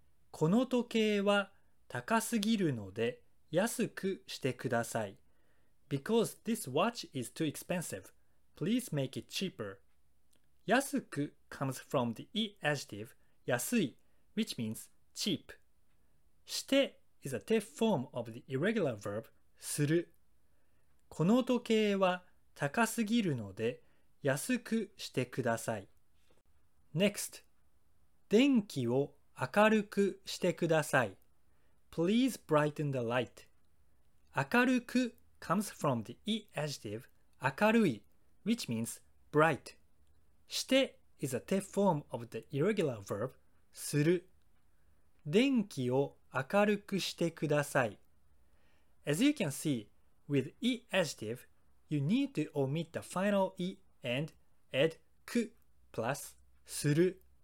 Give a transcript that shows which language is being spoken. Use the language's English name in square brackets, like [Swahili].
[Japanese] この時計は高すぎるので安くしてください。 [English] Because this watch is too expensive, please make it cheaper. 安く comes from the い adjective 安い、which means cheap. して is a tip form of the irregular verb する。 [Japanese] この時計は高すぎるので安くしてください。 [English] Next, [Japanese] 電気を明るくしてください。 [English] Please brighten the light. 明るく comes from the い adjective 明るい, which means bright. して is a tip form of the irregular verb する。 [Japanese] 電気を明るくしてください。 [English] As you can see, with い adjective, you need to omit the final い and add く plus する。